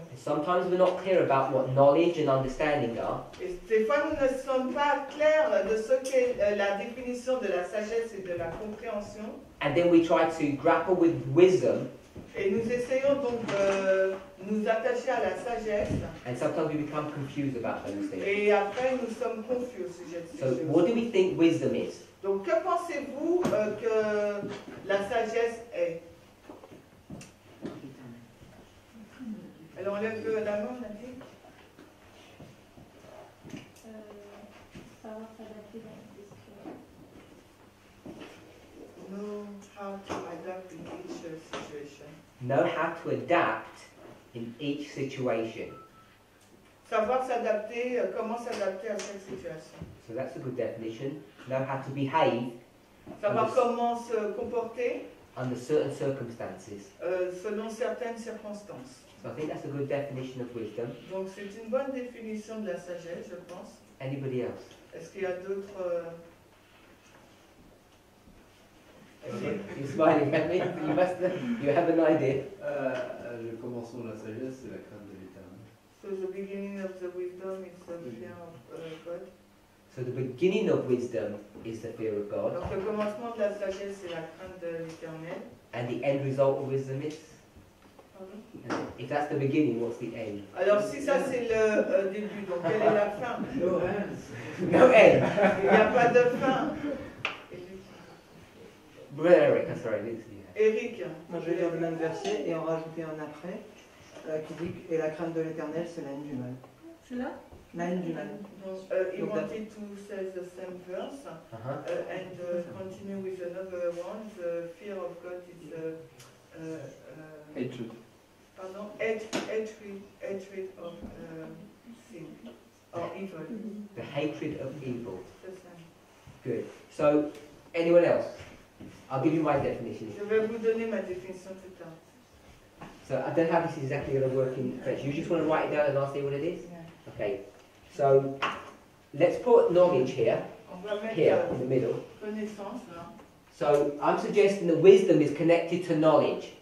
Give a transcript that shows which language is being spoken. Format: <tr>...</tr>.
<en>And sometimes we're not clear about what knowledge and understanding are.</en> <fr>Et des fois nous ne sommes pas clairs de ce qu'est la définition de la sagesse et de la compréhension.</fr> <en>And then we try to grapple with wisdom.</en> <fr>Et nous essayons donc de nous attacher à la sagesse.</fr> <en>And sometimes we become confused about those things.</en> <fr>Et après nous sommes confus au sujet de ces choses.</fr> <en>So what do we think wisdom is?</en> <fr>Donc, que pensez-vous que la sagesse est? Alors, on lève la main, on a dit. Savoir s'adapter dans les situations.</fr> <en>Know how to adapt in each situation. Know how to adapt in each situation.</en> <fr>Savoir s'adapter, comment s'adapter à chaque situation.</fr> <en>So that's a good definition. Know how to behave.</en> <fr>Savoir comment se comporter.</fr> <en>Under certain circumstances.</en> <fr>Selon certaines circonstances.</fr> <en>So I think that's a good definition of wisdom.</en> <fr>Donc c'est une bonne définition de la sagesse, je pense.</fr> <en>Anybody else?</en> <fr>Est-ce qu'il y a d'autres?</fr> <en>You're smiling at me. You must. You have an idea.</en> <fr>Je commence sur la sagesse, c'est la crainte de l'Éternel.</fr> <en>So the beginning of the wisdom is the fear of God. So the beginning of wisdom is the fear of God.</en> <fr>Donc, le commencement de la sagesse, c'est la crainte de l'Éternel.</fr> <en>And the end result of wisdom is?</en> <fr>Pardon?</fr> <en>If that's the beginning, what's the end?</en> <fr>Alors si ça c'est le début, donc quelle est la fin?</fr> <en>No end. No end.</en> <fr>Il n'y a pas de fin.</fr> <en>Brother Eric, I'm sorry, let's see. Eric.</en> <fr>Moi je vais lire le même verset et en rajouter un après qui dit que la crainte de l'Éternel, c'est la haine du mal. C'est là?</fr> <en>He wanted to say the same verse and continue with another one. The fear of God is hatred. Pardon, hatred of sin or evil. The hatred of evil. The same. Good. So, anyone else? I'll give you my definition.</en> <fr>Je vais vous donner ma définition tout à l'heure.</fr> <en>So I don't know how this is exactly going to work in French. You just want to write it down and I'll see what it is. Yeah. Okay. So let's put knowledge here, in the middle.</en> <fr>Connaissance,</fr> <en>so I'm suggesting that wisdom is connected to knowledge.</en>